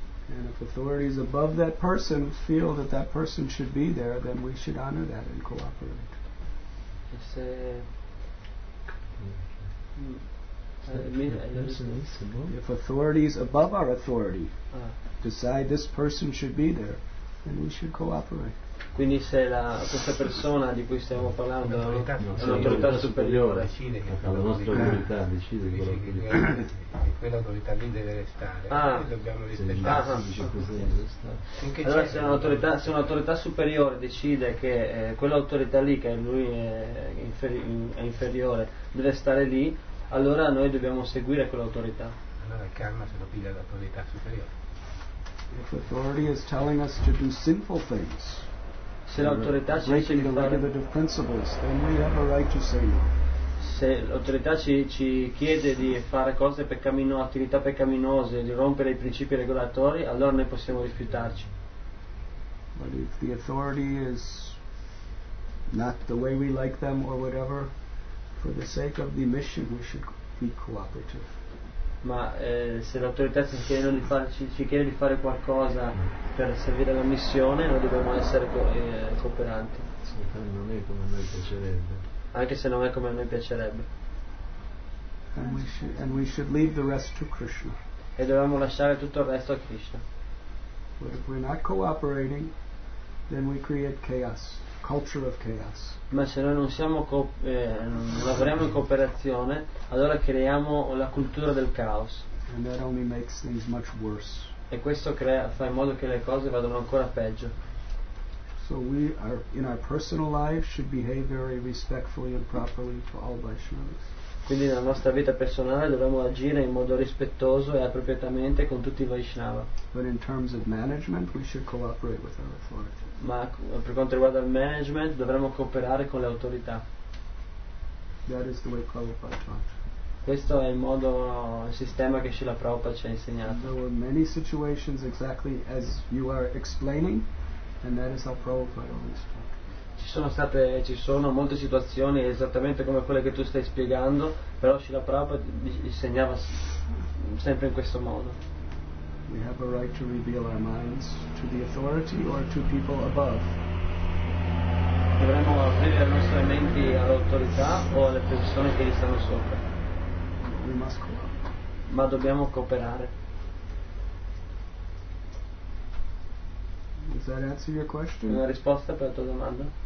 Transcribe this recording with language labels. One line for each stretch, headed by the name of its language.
English: And if authorities above that person feel that that person should be there, then we should honor that and cooperate.
Italian: E se
English: if authorities above our authority decide this person should be there, then we should cooperate.
Italian: Quindi se questa persona di cui stiamo parlando è un'autorità superiore, la nostra autorità decide che quell'autorità lì deve restare, dobbiamo rispettare. Allora se un'autorità superiore decide che quell'autorità lì, che lui è inferiore, deve stare lì, allora noi dobbiamo seguire quell'autorità. Allora il karma se lo piglia l'autorità superiore.
English: If authority is telling us to do sinful things,
Italian: se l'autorità ci chiede di fare cose attività peccaminose, di rompere i principi regolatori, allora noi possiamo rifiutarci.
English: But if the authority is not the way we like them or whatever, for the sake of the mission we should be cooperative.
Italian: Ma se l'autorità ci chiede di fare qualcosa per servire la missione, noi dobbiamo essere cooperanti. Sì, non è come a noi piacerebbe. Anche se non è come a noi piacerebbe.
English: And we should leave the rest to Krishna.
Italian: E dobbiamo lasciare tutto il resto a Krishna.
English: But if we're not cooperating, then we create chaos, culture of chaos.
Italian: Ma se noi non siamo non lavoriamo in cooperazione, allora creiamo la cultura del caos.
English: And that only makes things much worse.
Italian: E questo fa in modo che le cose vadano ancora peggio.
English: So we are in our personal life should behave very respectfully and properly to all Vaishnavas.
Italian: Quindi nella nostra vita personale dovremmo agire in modo rispettoso e appropriatamente con tutti i Vaishnava.
English: But in terms of management, we should cooperate with our authority.
Italian: Ma per quanto riguarda il management dovremmo cooperare con le autorità.
English: That is the way Prabhupada taught.
Italian: Questo è il sistema che Srila Prabhupada ci ha insegnato.
English: There were many situations exactly as you are explaining, and that is how Prabhupada always taught.
Italian: Ci sono molte situazioni esattamente come quelle che tu stai spiegando, però Srila Prabhupada insegnava sempre in questo modo.
English: We have a right to reveal our minds to the authority or to people above.
Italian: Dovremmo aprire le nostre menti all'autorità o alle persone che gli stanno sopra.
English: We must cooperate.
Italian: Ma dobbiamo cooperare.
English: Does that answer your question?
Italian: Una risposta per la tua domanda?